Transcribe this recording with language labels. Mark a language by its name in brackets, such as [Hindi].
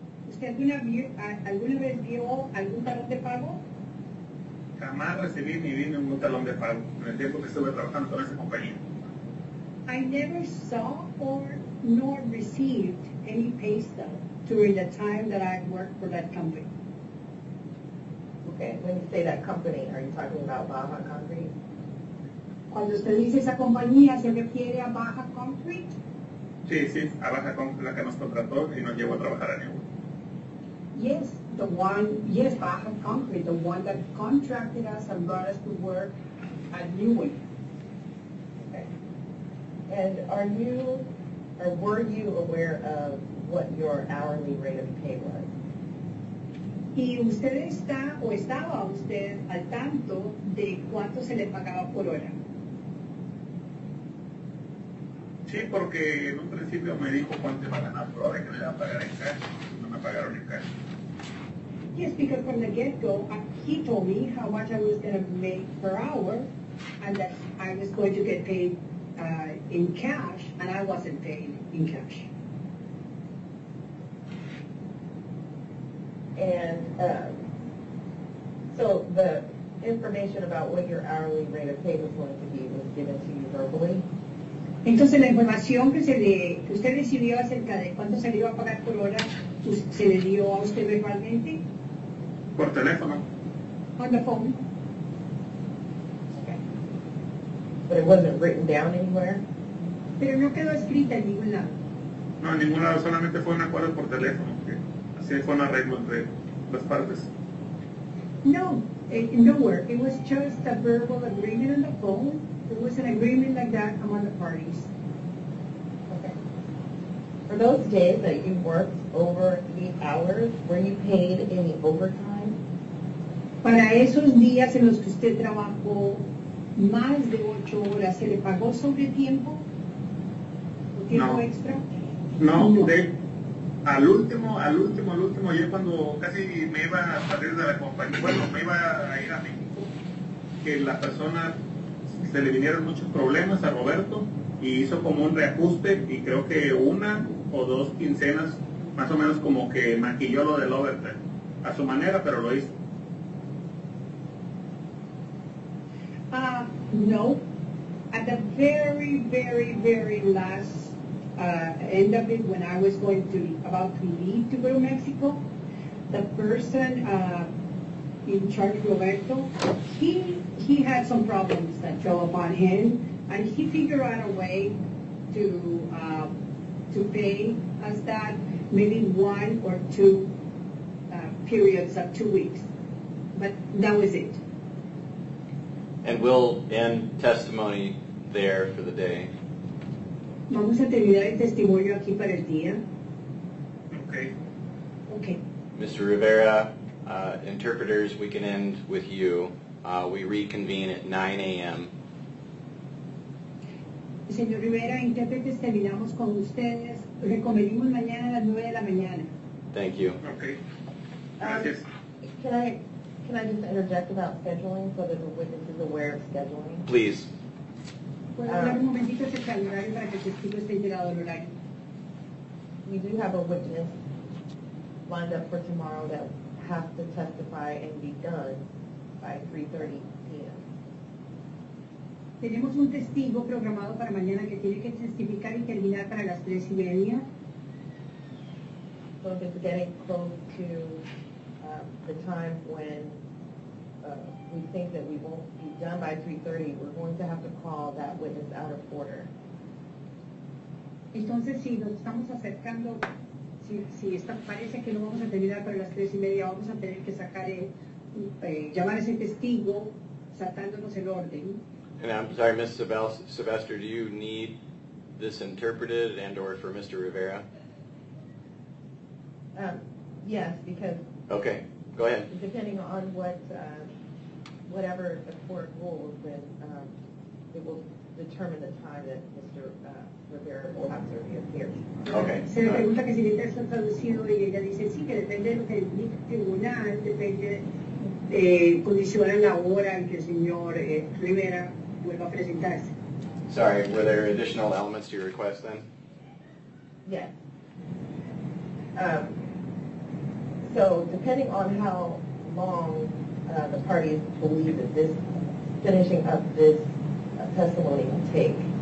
[Spanish] ¿Usted alguna vez vio algún talón de pago? Jamás recibí ni vi ningún talón de pago en el tiempo que estuve trabajando con esa compañía. [English] I never saw nor received any pay stub during the time that I worked for that company. Okay, when you say that company, are you talking about Baja Concrete? [Spanish] Cuando usted dice esa compañía, ¿se refiere a Baja Concrete? Sí, a Baja Concrete, la que nos contrató y nos llevó a trabajar a Newell. [English] Yes, the one, yes, I have concrete, the one that contracted us and brought us to work at Newman. And are you, or were you aware of what your hourly rate of pay was? [Spanish] ¿Y usted está o estaba usted al tanto de cuánto se le pagaba por hora? Sí, porque en un principio me dijo cuánto iba a ganar por hora y que me iba a pagar en cash. No me pagaron en cash. [English] Yes, because from the get-go, he told me how much I was going to make per hour and that I was going to get paid in cash, and I wasn't paid in cash. And so the information about what your hourly rate of pay was going to be was given to you verbally? [Spanish] Entonces la información que, que usted recibió acerca de cuánto se le iba a pagar por hora, ¿se le dio a usted verbalmente? Por teléfono. [English] On the phone. But it wasn't written down anywhere? [Spanish] Pero no quedó escrita en ningún lado. No, en ningún lado, solamente fue un acuerdo por teléfono. Okay. Así fue un arreglo entre las partes. [English] No, nowhere. It was just a verbal agreement on the phone. It was an agreement like that among the parties. Okay. For those days that you worked over the hours, were you paid any overtime? [Spanish] Para esos días en los que usted trabajó más de 8 horas, ¿se le pagó sobre tiempo? ¿O tiempo no. extra? No, no. De, al último, yo cuando casi me iba a salir de la compañía, bueno, me iba a ir a México, que la persona, se le vinieron muchos problemas a Roberto, y hizo como un reajuste, y creo que una o dos quincenas, más o menos como que maquilló lo del overtime, a su manera, pero lo hizo. [English] No, at the very, very, very last end of it, when I was going to about to leave to go to Mexico, the person in charge of Roberto, he had some problems that show up on him, and he figured out a way to pay us that, maybe one or two periods of 2 weeks, but that was it. And we'll end testimony there for the day. [Spanish] Vamos a terminar el testimonio aquí para el día. [English] Okay. Okay. Mr. Rivera, interpreters, we can end with you. We reconvene at 9 a.m. [Spanish] Señor Rivera, intérpretes, terminamos con ustedes. Reconvenimos mañana a las 9 de la mañana. [English] Thank you. [Spanish] Okay. Gracias. [English] Can I just interject about scheduling so that the witness is aware of scheduling? Please. We do have a witness lined up for tomorrow that has to testify and be done by 3:30 p.m. Tenemos un testigo programado para mañana que tiene que testificar y terminar para las 3 y media. So if it's getting close to the time when we think that we won't be done by 3:30, we're going to have to call that witness out of order. Entonces, si nos estamos acercando, si está, parece que no vamos a terminar para las 3 y media, vamos a tener que sacar llamar a ese testigo, saltándonos el orden. And I'm sorry, Ms. Sylvester, do you need this interpreted and or for Mr. Rivera? Yes, because... Okay, go ahead. Depending on what... whatever the court rules, then it will determine the time that Mr. Rivera will have to reappear. Okay. [Spanish] Se le pregunta que si le está traducido y ella dice sí, que depende de lo que el tribunal, depende de condicionar la hora en que el señor Rivera vuelva a presentarse. [English] Sorry, were there additional elements to your request then? Yes. So depending on how long the parties believe that this finishing up this testimony will take.